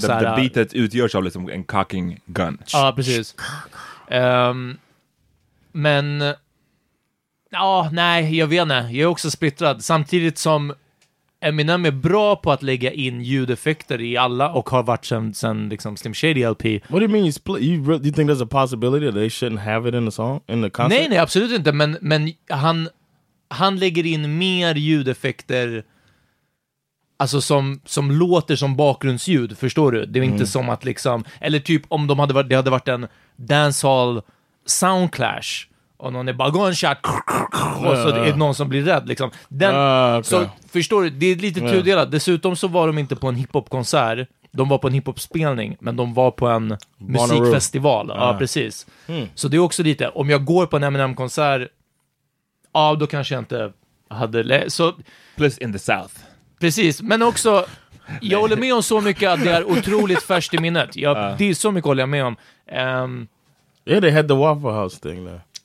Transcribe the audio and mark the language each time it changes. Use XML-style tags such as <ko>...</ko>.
<sv>såhär. The beatet utgörs av liksom en cocking gun. Ja, precis. Men, ja, nej, jag vet inte. Jag är också splittrad. Samtidigt som Eminem är bra på att lägga in ljudeffekter i alla och har varit sen liksom Slim Shady LP.</sv> <en>What do you mean? You think there's a possibility that they shouldn't have it in the song? In the concert?</en> <sv>Nej, absolut inte. Men han lägger in mer ljudeffekter, alltså som låter som bakgrundsljud, förstår du? Det är inte som att liksom, eller typ om det hade varit en dancehall soundclash och någon är bara gunshot och så är någon som blir rädd liksom. Så förstår du, det är lite tudelat. Dessutom så var de inte på en hiphopkonsert. De var på en hiphopspelning, men de var på en musikfestival. Ja, precis. Så det är också lite, om jag går på en Eminem-konsert, ja, då kanske jag inte hade så.</sv> <en>Plus in the south.</en> <sv>Precis, men också jag håller med om så mycket att det är otroligt färskt i minnet. Det är så mycket håller jag med om.</sv> <en>Yeah, they had the Waffle House thing there.</en>